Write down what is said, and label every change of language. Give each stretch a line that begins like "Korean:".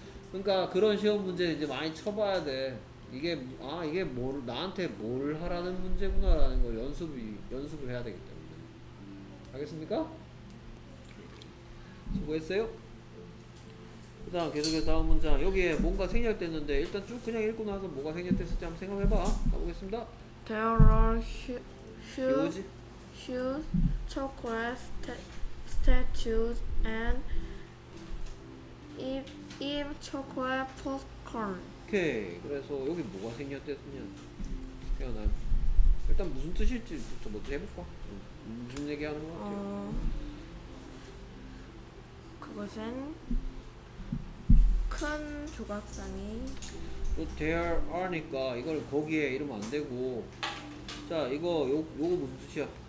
Korean: 그러니까 그런 시험 문제 이제 많이 쳐봐야 돼. 이게 아 이게 뭘 나한테 뭘 하라는 문제구나라는 걸 연습을 해야 되겠다. 알겠습니까? 수고했어요. 그 다음 계속해서 다음 문장 여기에 뭔가 생략됐는데 일단 쭉 그냥 읽고 나서 뭐가 생략됐을지 한번 생각해봐. 가보겠습니다.
English: There are huge chocolate statues and eat chocolate popcorn.
Korean: 오케이. 그래서 여기 뭐가 생략됐느냐 태어난 일단 무슨 뜻일지부터 먼저 해볼까? 무슨 얘기하는 것 같아요? 그것은 큰 조각상이 또
English: there are
Korean: 니까 이걸 거기에 이러면 안 되고 자 이거 요거 무슨 뜻이야?